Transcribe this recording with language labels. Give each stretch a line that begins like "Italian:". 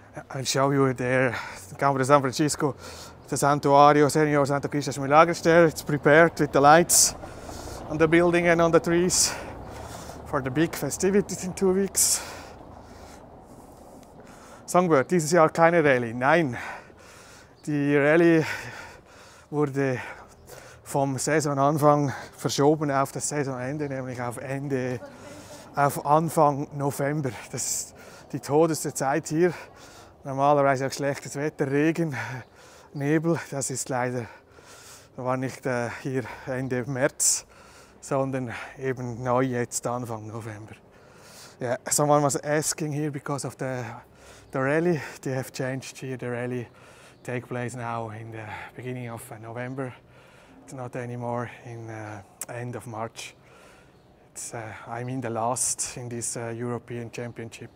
English: I'll show you there, Campo de San Francisco, the Santuario Senor Santo Cristo Milagres there. It's prepared with the lights on the building and on the trees for the big festivities in 2 weeks. Songbird, this is your kleine rally.
German: Nein, die Rally wurde vom Saisonanfang verschoben auf das Saisonende, nämlich auf Anfang November. Das ist die todeste Zeit hier. Normalerweise auch schlechtes Wetter, Regen, Nebel. Das ist leider, war nicht hier Ende März, sondern eben neu jetzt Anfang November.
English: Yeah, someone was asking here because of the rally. They have changed here. The rally take place now in the beginning of November. It's not anymore in end of March. It's I mean the last in this European Championship.